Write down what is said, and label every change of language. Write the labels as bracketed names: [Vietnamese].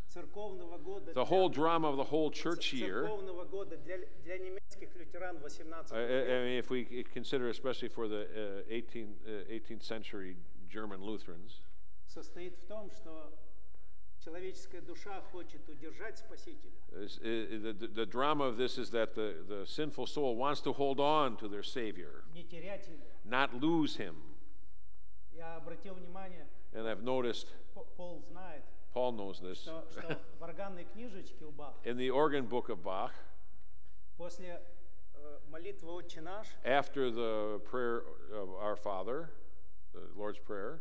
[English] The whole drama of the whole church year. I mean, if we consider especially for the 18th century German Lutherans. [Russian] Состоит в том, что человеческая душа хочет удержать спасителя. [English] The drama of this is that the sinful soul wants to hold on to their Savior. [Russian] Не терять его. [English] Not lose him. [Russian] Я обратил внимание. [English] And I've noticed. [Russian] Paul знает. [English] Paul knows this. [Russian] Что в органной книжечке у Баха. [English] In the organ book of Bach. [Russian] После молитвы Отче наш. [English] After the prayer of our Father, the Lord's Prayer.